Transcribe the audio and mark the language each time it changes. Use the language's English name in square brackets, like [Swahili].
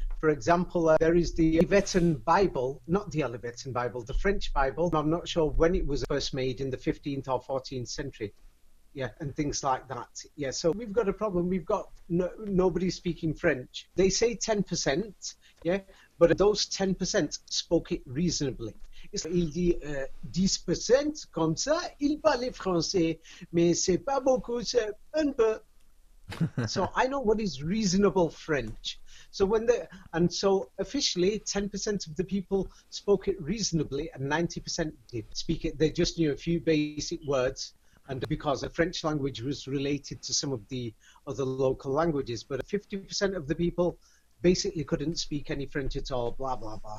[English] For example, there is the Olivetan Bible, not the Olivetan Bible, the French Bible. I'm not sure when it was first made, in the 15th or 14th century. Yeah, and things like that. Yeah, so we've got a problem. We've got nobody speaking French. They say 10%, yeah, but those 10% spoke it reasonably. [French] It's like, il dit 10%, comme ça, il parle français, mais c'est pas beaucoup, c'est un peu. [English] So I know what is reasonable French. So so officially 10% of the people spoke it reasonably and 90% did speak it. They just knew a few basic words. And because the French language was related to some of the other local languages, but 50% of the people basically couldn't speak any French at all, blah, blah, blah.